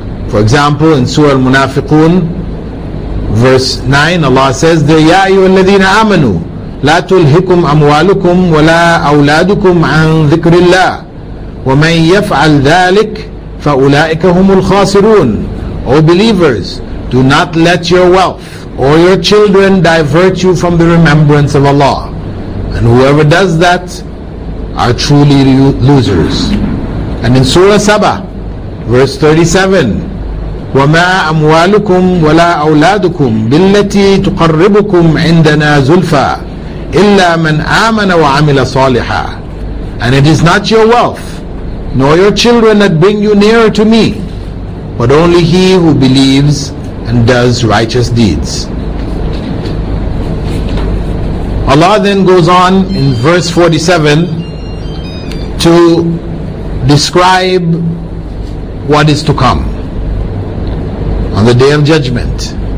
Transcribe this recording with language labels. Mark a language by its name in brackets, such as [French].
[English] For example, in Surah Al-Munafiqun, verse 9, Allah says, [Arabic] يَا أَيُّهَا الَّذِينَ آمَنُوا لَا تُلْهِكُمْ أَمْوَالُكُمْ وَلَا أَوْلَادُكُمْ عَنْ ذِكْرِ اللَّهِ وَمَنْ يَفْعَلْ ذَلِكَ فَأُولَٰئِكَ هُمُ الْخَاسِرُونَ. [English] O believers, do not let your wealth or your children divert you from the remembrance of Allah. And whoever does that are truly losers. And in Surah Saba, verse 37, [Arabic] وَمَا أَمْوَالُكُمْ وَلَا أَوْلَادُكُمْ بِالَّتِي تُقَرِّبُكُمْ عِنْدَنَا زُلْفَى إِلَّا مَنْ آمَنَ وَعَمِلَ صَالِحًا. [English] And it is not your wealth, nor your children that bring you nearer to me, but only he who believes and does righteous deeds. Allah then goes on in verse 47 to describe what is to come on the Day of Judgment.